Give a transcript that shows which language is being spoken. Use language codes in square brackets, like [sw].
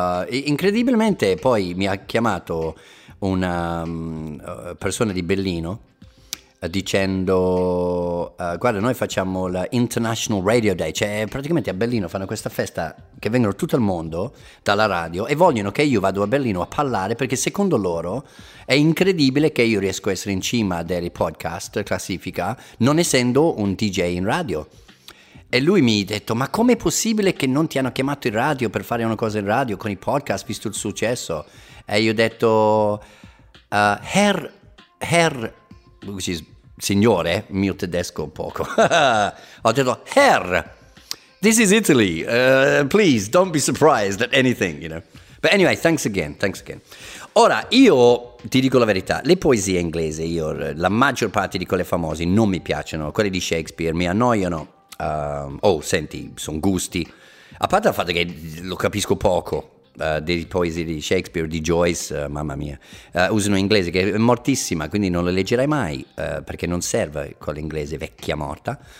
[it] Incredibilmente poi mi ha chiamato una persona di Berlino dicendo, guarda, noi facciamo la International Radio Day, cioè praticamente a Berlino fanno questa festa che vengono tutto il mondo dalla radio e vogliono che io vado a Berlino a parlare perché secondo loro è incredibile che io riesco a essere in cima dei podcast, classifica, non essendo un DJ in radio. E lui mi ha detto, ma com'è possibile che non ti hanno chiamato in radio per fare una cosa in radio con i podcast, visto il successo? E io ho detto, [en] Herr, which is [it] signore, mio tedesco poco, ho detto, [en] Herr, this is Italy, please don't be surprised at anything, you know. But anyway, thanks again, thanks again. [it] Ora, io ti dico la verità, le poesie inglesi, io, la maggior parte di quelle famose non mi piacciono, quelle di Shakespeare mi annoiano. Oh, senti, sono gusti. A parte il fatto che lo capisco poco, dei poesie di Shakespeare, di Joyce, mamma mia, usano inglese che è mortissima, quindi non le leggerai mai, perché non serve con l'inglese vecchia morta.